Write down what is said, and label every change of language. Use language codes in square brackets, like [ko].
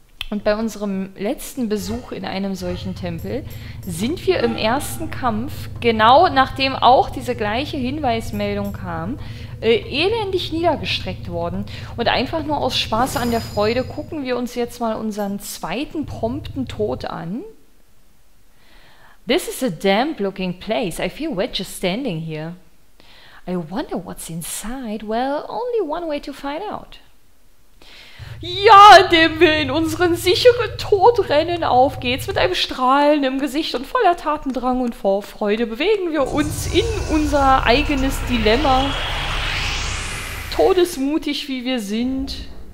[de] Und bei unserem letzten Besuch in einem solchen Tempel sind wir im ersten Kampf, genau nachdem auch diese gleiche Hinweismeldung kam, elendig niedergestreckt worden. Und einfach nur aus Spaß an der Freude gucken wir uns jetzt mal unseren zweiten prompten Tod an. [en] This is a damp looking place. I feel wet just standing here. I wonder what's inside. Well, only one way to find out. [de] Ja, indem wir in unseren sicheren Tod rennen. Auf geht's mit einem Strahlen im Gesicht und voller Tatendrang und Vorfreude bewegen wir uns in unser eigenes Dilemma. Todesmutig, wie wir sind.